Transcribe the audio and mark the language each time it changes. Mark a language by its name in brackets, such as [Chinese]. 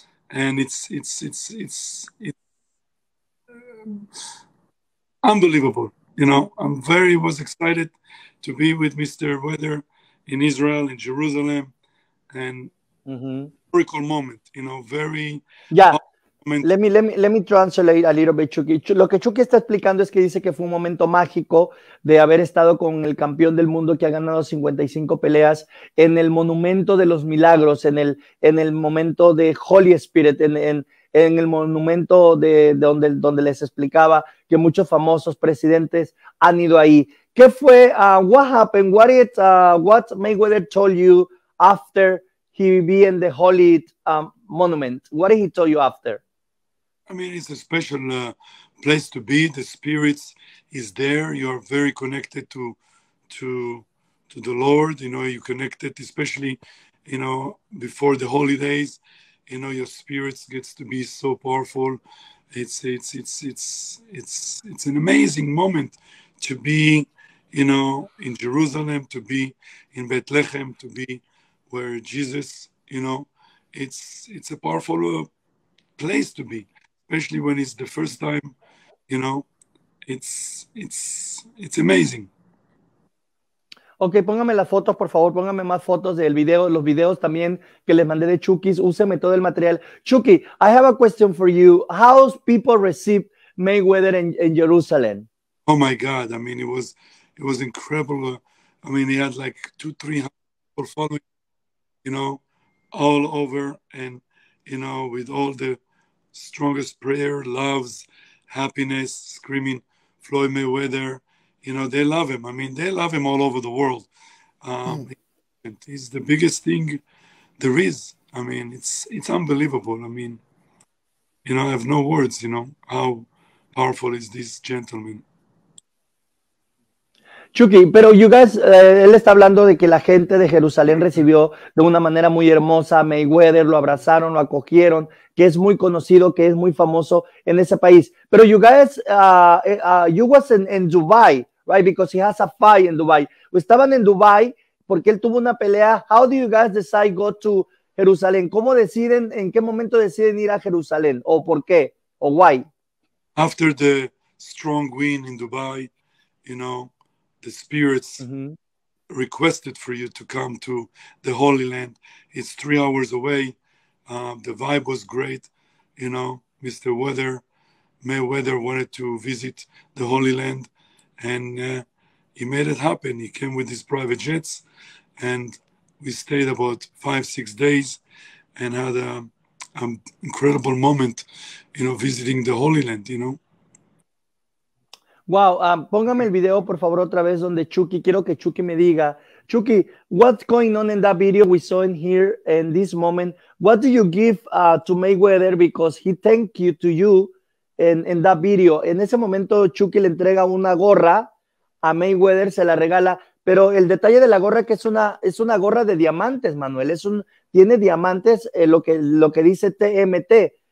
[English] And it's unbelievable, you know. I was excited to be with Mr. Weather in Israel, in Jerusalem, and historical moment, you know, very. Yeah, let me translate a little bit, Chucky. [Spanish] Lo que Chucky está explicando es que dice que fue un momento mágico de haber estado con el campeón del mundo que ha ganado 55 peleas en el Monumento de los Milagros, en el momento de Holy Spirit, en el monumento donde les explicaba que muchos famosos presidentes han ido ahí. ¿Qué fue? [English] What happened? What Mayweather told you after he be in the Holy Monument? What did he tell you after? I mean, it's a special place to be. The spirits is there. You are very connected to the Lord. You know, you connected, especially, you know, before the holidays. You know, your spirits gets to be so powerful. It's an amazing moment to be, you know, in Jerusalem, to be in Bethlehem, to be where Jesus, you know, it's a powerful place to be, especially when it's the first time, you know, it's amazing. [Spanish] Ok, póngame las fotos, por favor, póngame más fotos del video, los videos también que les mandé de Chucky's, úseme todo el material. [English] Chucky, I have a question for you. How people receive Mayweather in Jerusalem? Oh my God, I mean, it was incredible. I mean, he had like 200-300 people following, you know, all over, and, you know, with all the strongest prayer, loves, happiness, screaming Floyd Mayweather. You know, they love him. I mean, they love him all over the world. He's the biggest thing there is. I mean, it's unbelievable. I mean, you know, I have no words, you know, how powerful is this gentleman. [Spanish] Chucky, pero [English] you guys, [Spanish] él está hablando de que la gente de Jerusalén recibió de una manera muy hermosa a Mayweather, lo abrazaron, lo acogieron, que es muy conocido, que es muy famoso en ese país. Pero [English] you guys, you was in Dubai, right? Because he has a fight in Dubai. [Spanish] Estaban en Dubai porque él tuvo una pelea. [English] How do you guys decide go to Jerusalén? [Spanish] ¿Cómo deciden, en qué momento deciden ir a Jerusalén? ¿O por qué? ¿O [English] why? After the strong win in Dubai, you know, the spirits requested for you to come to the Holy Land. It's 3 hours away. The vibe was great. You know, Mayweather wanted to visit the Holy Land, and he made it happen. He came with his private jets, and we stayed about 5-6 days and had an incredible moment, you know, visiting the Holy Land, you know. [Spanish] Wow, póngame el video, por favor, otra vez, donde Chucky, quiero que Chucky me diga, Chucky, [English] what's going on in that video we saw in here in this moment? What do you give to Mayweather because he thank you to you in that video? [Spanish] En ese momento, Chucky le entrega una gorra a Mayweather, se la regala, pero el detalle de la gorra es que es una gorra de diamantes, Manuel, tiene diamantes, lo que dice TMT.